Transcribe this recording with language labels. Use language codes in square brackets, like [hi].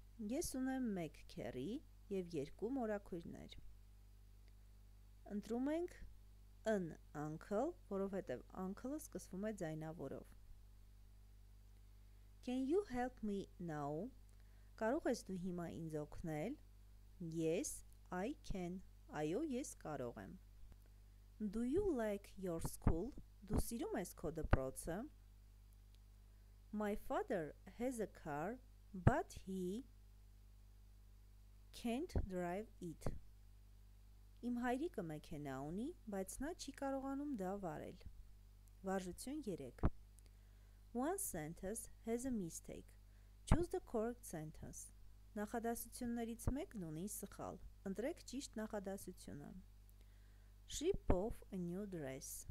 [hy] Ես ունեմ մեկ քեռի և երկու մորաքույրներ։ Ընտրում ենք an uncle, որովհետև uncle-ը սկսվում է ձայնավորով։ [en] Can you help me now? [hy] Կարող ես դու հիմա ինձ օգնել? [en] Yes, I can. [hy] Այո, ես կարող եմ։ [en] Do you like your school? [hy] Դու սիրում ես քո դպրոցը? [en] My father has a car, but he can't drive it. [hy] Իմ հայրիկը մեքենա ունի, բայց նա չի կարողանում դա վարել։ Վարժություն 3. [en] One sentence has a mistake. Choose the correct sentence. [hy] Նախադասություններից մեկն ունի սխալ։ Ընտրեք ճիշտ նախադասությունը. [en] She bought a new dress.